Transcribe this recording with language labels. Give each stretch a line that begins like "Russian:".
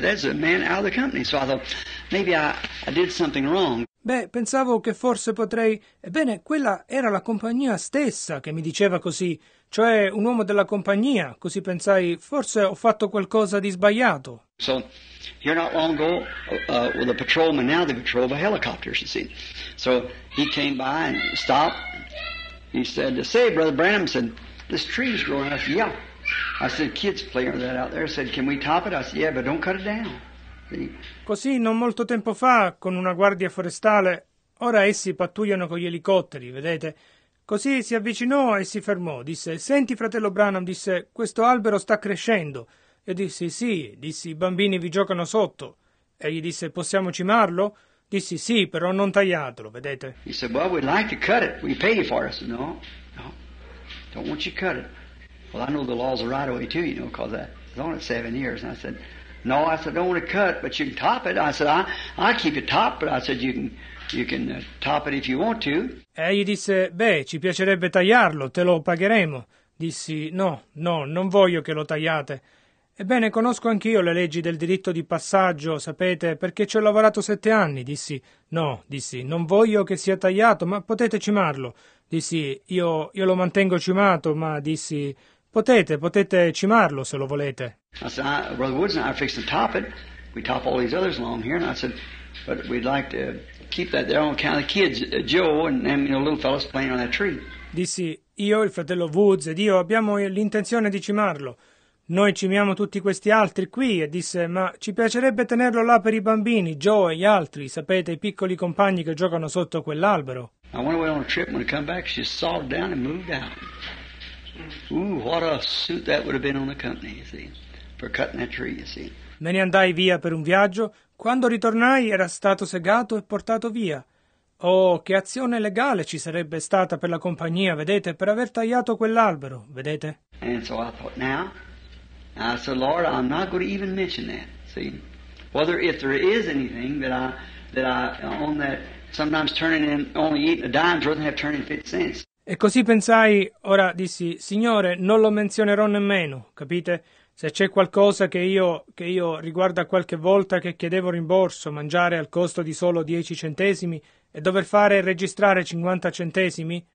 English: That's a man out of the company, so I thought maybe I did something wrong.
Italian: Beh, pensavo che forse potrei... Ebbene, quella era la compagnia stessa che mi diceva così. Cioè, un uomo della compagnia. Così pensai, forse ho fatto qualcosa di sbagliato.
English: So, here not long ago, well, the patrolman now, they patrol the helicopters, you see. So, he came by and stopped. He said, say, Brother Branham, said, this tree is growing up. Yeah. I said, kids playing that out there. I said, can we top it? I said, yeah, but don't cut it down.
Italian: Così, non molto tempo fa, con una guardia forestale, ora essi pattugliano con gli elicotteri, vedete? Così si avvicinò e si fermò. Disse, senti, fratello Branham, disse, questo albero sta crescendo. Io dissi, sì, dissi, i bambini vi giocano sotto. E gli disse, possiamo cimarlo? Dissi, sì, però non tagliatelo, vedete?
English: He said, well, we'd like to cut it. We pay for it. No, no, don't want you cut it. Well, I know the laws are right away too, you know, because I was on it 7 years. And I said... No, I said, I don't want to cut, but you can top it. I said, I keep it top, but I said, you can top it if you want to.
Italian: E gli disse, beh, ci piacerebbe tagliarlo, te lo pagheremo. Dissi, no, no, non voglio che lo tagliate. Ebbene, conosco anch'io le leggi del diritto di passaggio, sapete, perché ci ho lavorato 7 anni. Dissi, no, dissi, non voglio che sia tagliato, ma potete cimarlo. Dissi, io lo mantengo cimato, ma dissi... Potete cimarlo se lo volete.
English: I said, Brother Woods and I are fixing to top it. We top all these others along here. And I said, but we'd like to keep that there on account of the kids, Joe and them, you know, little fellas playing on that tree.
Italian: Dissi, io, il fratello Woods ed io abbiamo l'intenzione di cimarlo. Noi cimiamo tutti questi altri qui. E disse, ma ci piacerebbe tenerlo là per i bambini, Joe e gli altri, sapete, i piccoli compagni che giocano sotto quell'albero.
English: I went away on a trip and when I come back, she sawed down and moved out. Ooh, what a suit that would have been on the company, you see, for cutting that tree, you see.
Italian: Me ne andai via per un viaggio. Quando ritornai era stato segato e portato via. Oh, che azione legale ci sarebbe stata per la compagnia, vedete, per aver tagliato quell'albero, vedete?
English: And so I thought, now, I said, Lord, I'm not going to even mention that, see. Whether if there is anything that I on that sometimes turning in only eating a dime's worth and have turning 50 cents.
Italian: E così pensai, ora dissi, Signore, non lo menzionerò nemmeno, capite? Se c'è qualcosa che io riguarda qualche volta che chiedevo rimborso, mangiare al costo di solo 10 centesimi e dover fare registrare 50 centesimi.